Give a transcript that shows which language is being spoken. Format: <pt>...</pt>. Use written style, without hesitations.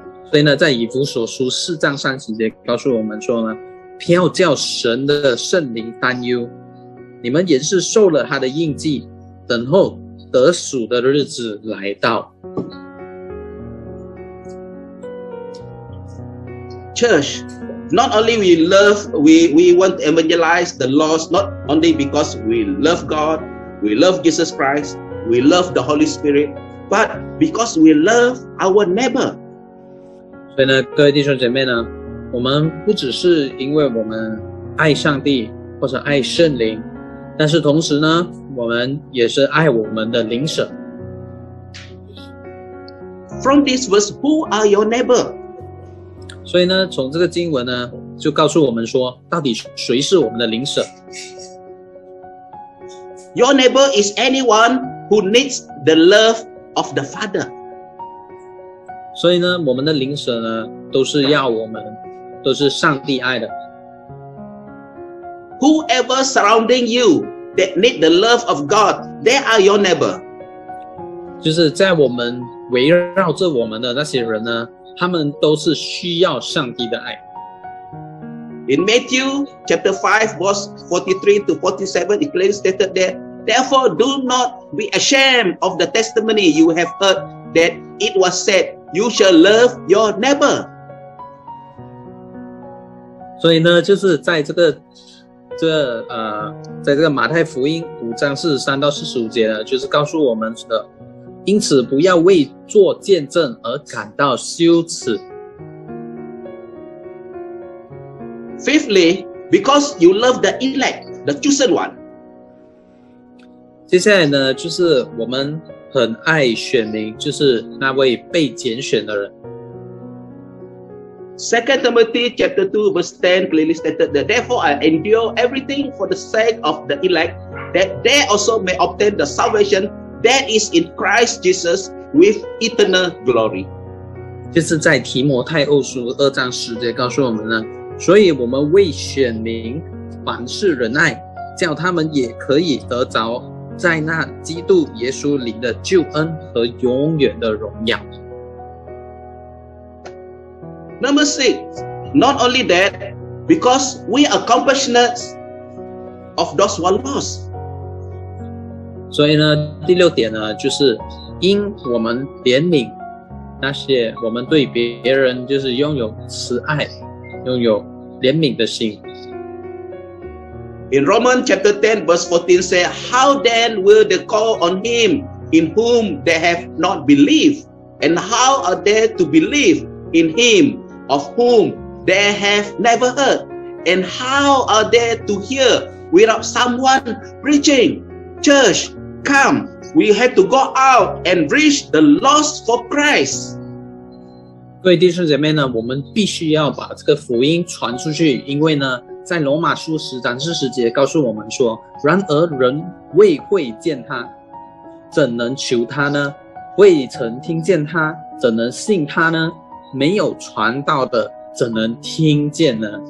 <zh>所以呢，在以弗所书四章三十节告诉我们说呢，不要叫神的圣灵担忧，你们也是受了他的印记，等候得赎的日子来到。</zh> <en>Church, not only we want to evangelize the lost, not only because we love God, we love Jesus Christ, we love the Holy Spirit, but because we love our neighbor.</en> <zh>所以呢，各位弟兄姐妹呢，我们不只是因为我们爱上帝或者爱圣灵，但是同时呢，我们也是爱我们的邻舍。</zh> <en>From this verse, who are your neighbor?</en> <zh>所以呢，从这个经文呢，就告诉我们说，到底谁是我们的邻舍</zh> <en>？Your neighbor is anyone who needs the love of the Father.</en> <zh>所以呢，我们的邻舍呢，都是要我们，都是上帝爱的。</zh> <en>Whoever surrounding you that need the love of God, they are your neighbor.</en> <zh>就是在我们围绕着我们的那些人呢。他们都是需要上帝的爱。</zh> <en>In Matthew chapter 5, verse 43 to 47, it clearly stated that, Therefore, do not be ashamed of the testimony you have heard, that it was said, you shall love your neighbor.</en> <zh>所以呢，就是在这个马太福音五章四十三到四十五节呢，就是告诉我们的。因此不要为做见证而感到羞耻。</zh> <en>Fifthly, because you love the elect, the chosen one.</en> <zh>接下来呢，就是我们很爱选民，就是那位被拣选的人。</zh> <en>Second Timothy chapter 2 verse 10 clearly stated that therefore I endure everything for the sake of the elect, that they also may obtain the salvation.That is in Christ Jesus with eternal glory.</en> <zh>就是在提摩太后书二章十节告诉我们呢，所以我们为选民凡事忍耐，叫他们也可以得着在那基督耶稣里的救恩和永远的荣耀。</zh> <en>Number six, not only that, because we are compassionate of those who are lost.</en> <zh>所以呢，第六点呢，就是因我们怜悯那些我们对别人就是拥有慈爱、拥有怜悯的心。</zh> <en>In Romans chapter 10 verse 14 says, "How then will they call on him in whom they have not believed? And how are they to believe in him of whom they have never heard? And how are they to hear without someone preaching? Church, come, we have to go out and reach the lost for Christ."</en> <zh>各位弟兄姐妹呢，我们必须要把这个福音传出去，因为呢，在罗马书十章四十节告诉我们说，然而人未会见他，怎能求他呢？未曾听见他，怎能信他呢？没有传道的，怎能听见呢？</zh>